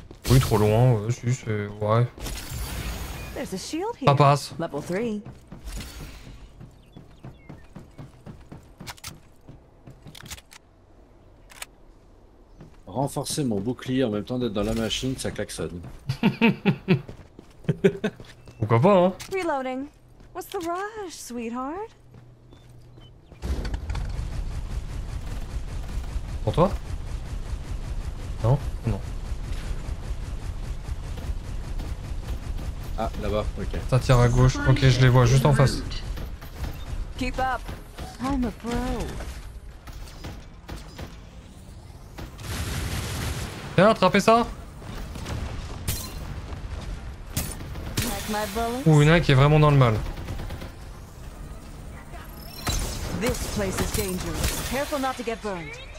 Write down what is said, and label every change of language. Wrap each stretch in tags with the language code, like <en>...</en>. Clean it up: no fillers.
<fr>Oui, trop loin, si, c'est... ouais. Ça passe. Renforcer mon bouclier en même temps d'être dans la machine, ça klaxonne. Pourquoi pas, hein?</fr> <en>Reloading. What's the rush, sweetheart?</en> <fr>Pour toi? Non, non. Ah, là-bas, ok. Ça tire à gauche, ok, je les vois juste en face.</fr> <en>Keep up. I'm a pro.</en> <fr>Viens, attrapez ça. Ouh, une qui est vraiment dans le mal.</fr> <en>This place is dangerous. Careful not to get burned.</en>